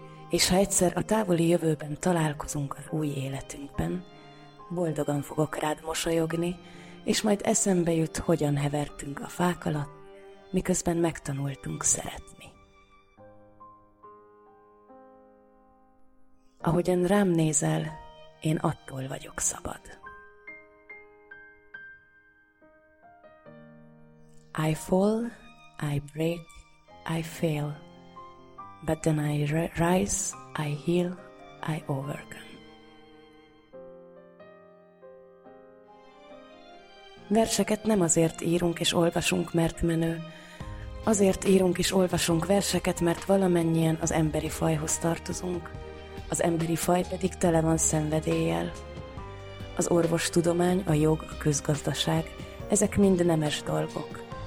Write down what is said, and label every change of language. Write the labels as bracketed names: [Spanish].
[Hungarian] És ha egyszer a távoli jövőben találkozunk az új életünkben, boldogan fogok rád mosolyogni, és majd eszembe jut, hogyan hevertünk a fák alatt, miközben megtanultunk szeretni. Ahogyan rám nézel, én attól vagyok szabad. [English] I fall, I break, I fail, but then I rise, I heal, I overcome. [Hungarian] Verseket nem azért írunk és olvasunk, mert menő. Azért írunk és olvasunk verseket, mert valamennyien az emberi fajhoz tartozunk, az emberi faj pedig tele van szenvedéllyel. Az orvostudomány, a jog, a közgazdaság, ezek mind nemes dolgok.